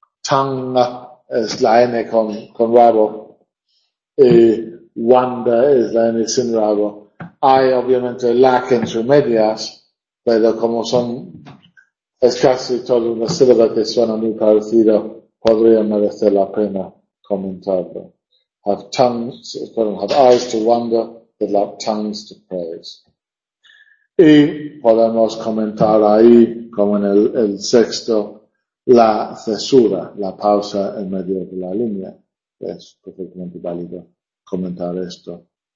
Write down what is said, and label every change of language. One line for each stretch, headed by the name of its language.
Spanish: Tang es la N con rabo y wanda es la N sin rabo. Hay obviamente lac entre medias, pero como son, es casi toda una sílaba que suena muy parecido, podría merecer la pena comentarlo.
English: Have tongues, pardon, have eyes to wonder, but have tongues to praise.
Spanish: Y podemos comentar ahí, como en el sexto, la cesura, la pausa en medio de la línea. Es perfectamente válido comentar esto.